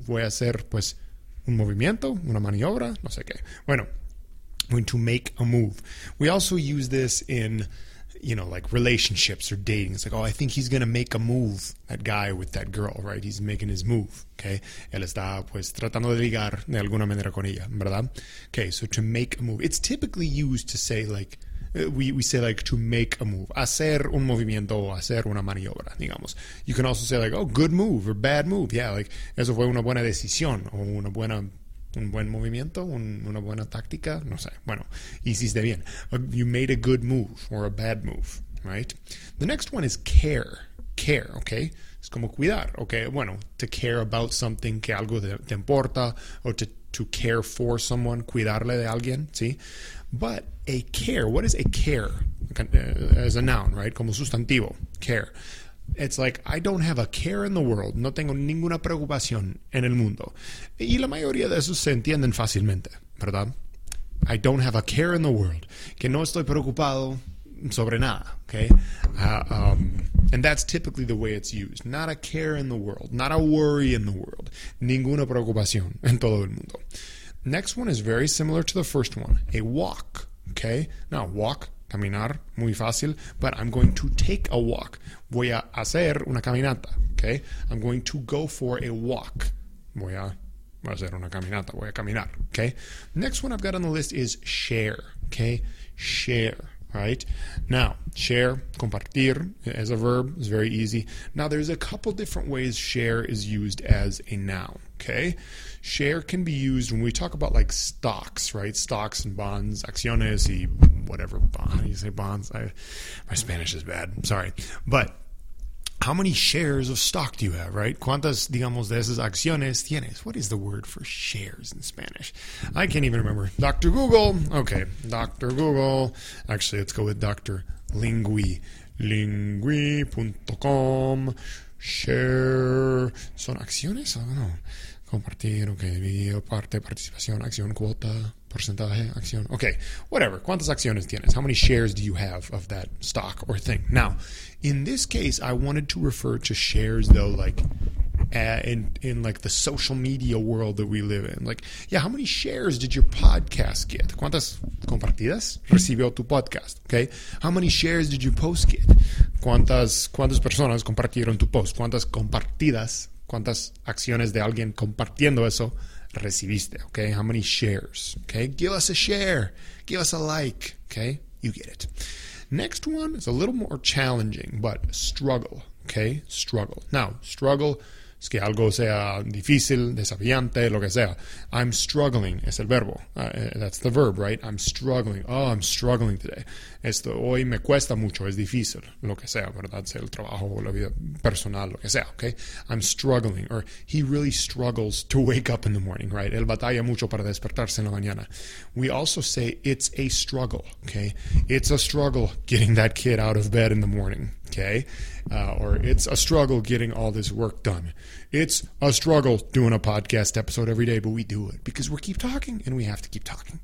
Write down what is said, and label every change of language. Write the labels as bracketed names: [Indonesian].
[Spanish] Voy a hacer, pues, un movimiento, una maniobra, no sé qué. [English] Bueno, I'm going to make a move. We also use this in, you know, like relationships or dating. It's like, oh, I think he's going to make a move, that guy with that girl, right? He's making his move, okay? [Spanish] Él está, pues, tratando de ligar de alguna manera con ella, ¿verdad? [English] Okay, so to make a move. It's typically used to say, like, we say, like, to make a move. [Spanish] Hacer un movimiento o hacer una maniobra, digamos. [English] You can also say, like, oh, good move or bad move. [Spanish] Yeah, like, eso fue una buena decisión o una buena... Un buen movimiento, una buena táctica, no sé. Bueno, hiciste bien. [English] You made a good move or a bad move, right? The next one is care. Care, okay? [Spanish] Es como cuidar, [English] okay? Bueno, to care about something, [Spanish] que algo te importa, [English] or to care for someone, [Spanish] cuidarle de alguien, ¿sí? [English] But a care, what is a care? As a noun, right? [Spanish] Como sustantivo, care. [English] It's like, I don't have a care in the world. [Spanish] No tengo ninguna preocupación en el mundo. Y la mayoría de esos se entienden fácilmente, ¿verdad? [English] I don't have a care in the world. [Spanish] Que no estoy preocupado sobre nada, okay? [English] And that's typically the way it's used. Not a care in the world. Not a worry in the world. [Spanish] Ninguna preocupación en todo el mundo. [English] Next one is very similar to the first one. A walk, okay? Now, walk. [Spanish] Caminar, muy fácil, [English] but I'm going to take a walk. [Spanish] Voy a hacer una caminata, [English] okay? I'm going to go for a walk. [Spanish] Voy a hacer una caminata, voy a caminar, okay? [English] Next one I've got on the list is share, okay? Share, right? Now, share, compartir, as a verb, is very easy. Now, there's a couple different ways share is used as a noun, okay? Share can be used when we talk about, like, stocks, right? Stocks and bonds, acciones y whatever. Bond. You say bonds? My Spanish is bad. I'm sorry. But how many shares of stock do you have, right? [Spanish] ¿Cuántas, digamos, de esas acciones tienes? [English] What is the word for shares in Spanish? I can't even remember. Dr. Google. Okay. Dr. Google. Actually, let's go with Dr. Lingui. Lingui.com. Share. [Spanish] ¿Son acciones? [English] I don't know. [Spanish] Compartir, okay, video, parte, participación, acción, cuota, porcentaje, acción. Okay, whatever. ¿Cuántas acciones tienes? [English] How many shares do you have of that stock or thing? Now, in this case, I wanted to refer to shares, though, like in like the social media world that we live in. Like, yeah, how many shares did your podcast get? [Spanish] ¿Cuántas compartidas recibió tu podcast? [English] Okay. How many shares did your post get? [Spanish] ¿Cuántas personas compartieron tu post? ¿Cuántas compartidas? ¿Cuántas acciones de alguien compartiendo eso recibiste? Okay. [English] How many shares? Okay. Give us a share. Give us a like. Okay. You get it. Next one is a little more challenging, but struggle. Okay, struggle. Now, struggle [Spanish] es que algo sea difícil, desafiante, lo que sea. [English] I'm struggling [Spanish] es el verbo. [English] That's the verb, right? I'm struggling. Oh, I'm struggling today. [Spanish] Esto hoy me cuesta mucho, es difícil, lo que sea, ¿verdad? Sea el trabajo o la vida personal, lo que sea, okay? [English] I'm struggling. Or he really struggles to wake up in the morning, right? [Spanish] Él batalla mucho para despertarse en la mañana. [English] We also say it's a struggle, okay? It's a struggle getting that kid out of bed in the morning. Okay, or it's a struggle getting all this work done. It's a struggle doing a podcast episode every day, but we do it because we keep talking and we have to keep talking.